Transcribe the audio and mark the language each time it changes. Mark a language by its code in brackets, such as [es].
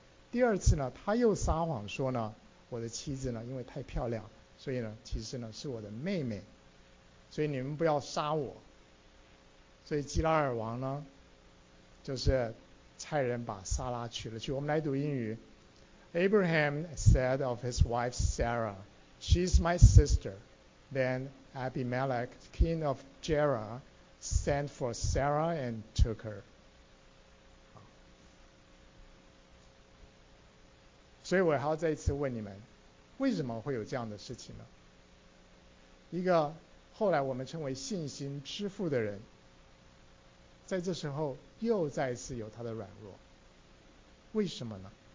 [zh] 第二次呢他又撒谎说呢，我的妻子呢因为太漂亮，所以呢其实呢是我的妹妹，所以你们不要杀我。所以基拉尔王呢就是差人把撒拉娶了去。我们来读英语。 [en] Abraham said of his wife Sarah, "She is my sister." Then Abimelech, king of Gerar, sent for Sarah and took her. [zh] 所以我还要再一次问你们，为什么会有这样的事情呢？一个后来我们称为信心之父的人，在这时候又再次有他的软弱，为什么呢？